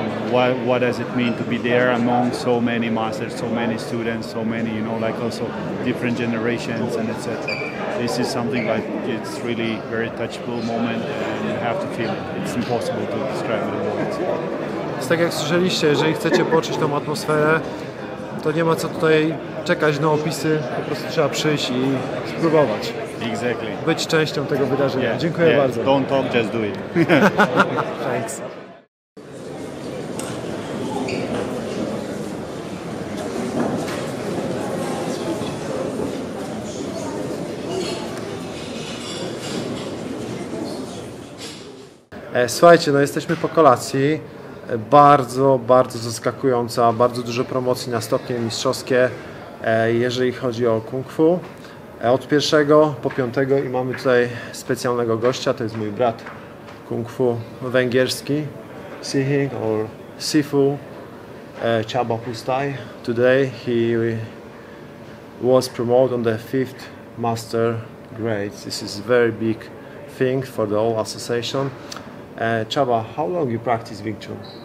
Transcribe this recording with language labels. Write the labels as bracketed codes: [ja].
[en] what does it mean to be there among so many masters, so many students, so many, you know, like also different generations and etc. This is something like it's really very touchable moment and you have to feel it. It's impossible to describe it in words. [pl] Tak jak słyszeliście, jeżeli chcecie poczuć tą atmosferę, to nie ma co tutaj czekać na opisy, po prostu trzeba przyjść i spróbować. [en] Exactly. [pl] Być częścią tego wydarzenia. Yeah. Dziękuję yeah. bardzo. [en] Don't talk, just do it. Thanks. [pl] Słuchajcie, no jesteśmy po kolacji. Bardzo, bardzo zaskakująca, bardzo dużo promocji na stopnie mistrzowskie, jeżeli chodzi o kung fu. Od pierwszego po piątego i mamy tutaj specjalnego gościa, to jest mój brat kung fu węgierski. [en] Sihing or Sifu Chaba Pustai. Today he was promoted on the fifth master grade. This is a very big thing for the whole association. Chaba, how long you practice Wing Tsun?